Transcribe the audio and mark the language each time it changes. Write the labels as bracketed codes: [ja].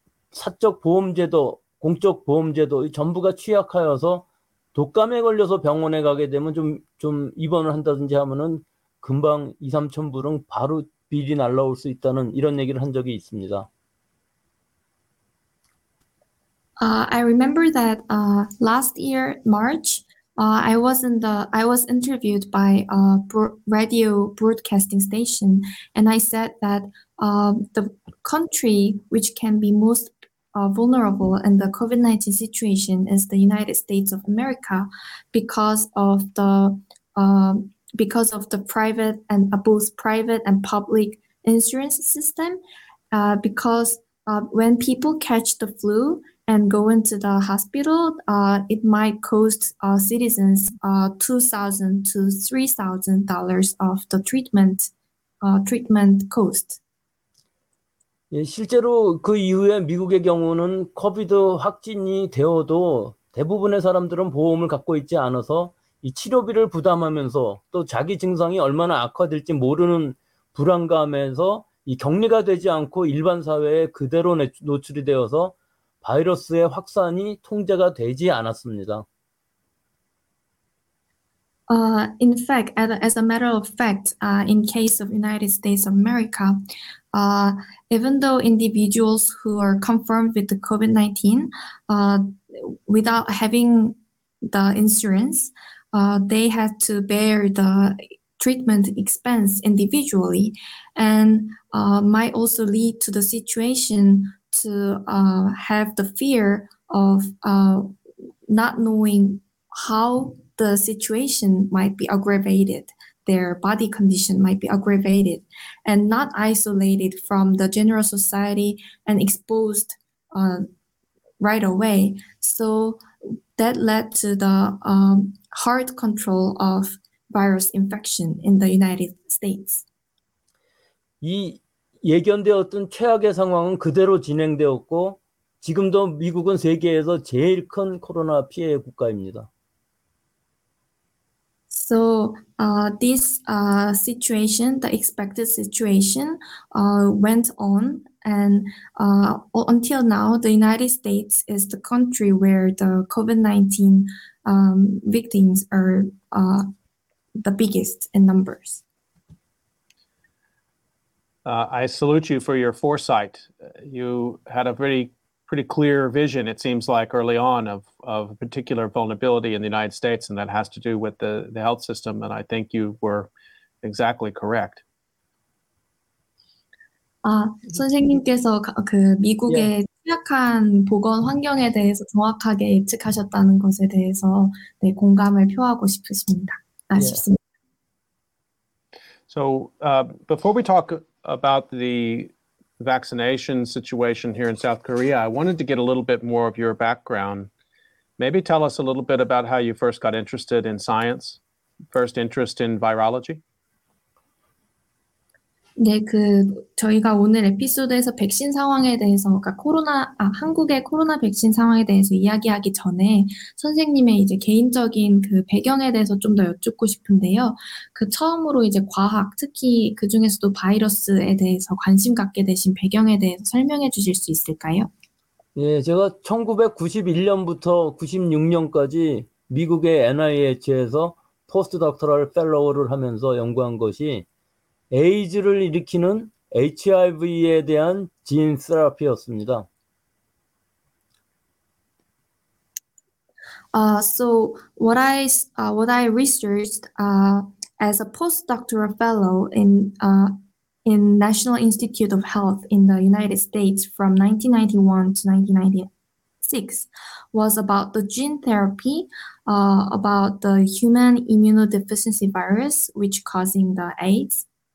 [ko] 사적 보험제도, 공적 보험제도 전부가 취약하여서 독감에 걸려서 병원에 가게 되면 좀 입원을 한다든지 하면은 금방 2, 3천 불은 바로 빌이 날라올 수 있다는 이런 얘기를 한 적이 있습니다. [en] I remember that last year, March, I was interviewed by a radio broadcasting station, and I said that the country which can be most vulnerable in the COVID-19 situation is the United States of America because of the private and both private and public insurance system, because when people catch the flu and go into the hospital, it might cost citizens $2,000 to $3,000 of the treatment cost. [ko] 예, 실제로 그 이후에 미국의 경우는 코비드 확진이 되어도 대부분의 사람들은 보험을 갖고 있지 않아서 이 치료비를 부담하면서 또 자기 증상이 얼마나 악화될지 모르는 불안감에서 이 격리가 되지 않고 일반 사회에 그대로 노출이 되어서 바이러스의 확산이 통제가 되지 않았습니다. [en] In fact, as a matter of fact, in case of United States of America, even though individuals who are confirmed with the COVID-19, without having the insurance, they had to bear the treatment expense individually, and might also lead to the situation to have the fear of not knowing how the situation might be aggravated, their body condition might be aggravated, and not isolated from the general society and exposed right away. So that led to the hard control of virus infection in the United States. [ko] 이 예견되었던 최악의 상황은 그대로 진행되었고, 지금도 미국은 세계에서 제일 큰 코로나 피해 국가입니다. [en] So this situation, the expected situation, went on, and until now, the United States is the country where the COVID-19 victims are the biggest in numbers. I salute you for your foresight. You had a pretty clear vision, it seems like, early on of a particular vulnerability in the United States, and that has to do with the health system, and I think you were exactly correct. [ko] 선생님께서 그 미국의 취약한 보건 환경에 대해서 정확하게 예측하셨다는 것에 대해서 네, 공감을 표하고 싶으십니다. 아쉽습니다. [en] So, before we talk about the vaccination situation here in South Korea, I wanted to get a little bit more of your background. Maybe tell us a little bit about how you first got interested in science, first interest in virology. [ko] 네, 그 저희가 오늘 에피소드에서 백신 상황에 대해서, 그러니까 코로나, 아, 한국의 코로나 백신 상황에 대해서 이야기하기 전에 선생님의 이제 개인적인 그 배경에 대해서 좀 더 여쭙고 싶은데요. 그 처음으로 이제 과학, 특히 그 중에서도 바이러스에 대해서 관심 갖게 되신 배경에 대해서 설명해 주실 수 있을까요? 예, 제가 1991년부터 96년까지 미국의 NIH에서 포스트닥터럴 펠로우를 하면서 연구한 것이 에이즈를 일으키는 HIV에 대한 진 세라피였습니다. [en] So what I researched as a postdoctoral fellow in National Institute of Health in the United States from 1991 to 1996 was about the gene therapy about the human immunodeficiency virus which causing the AIDS.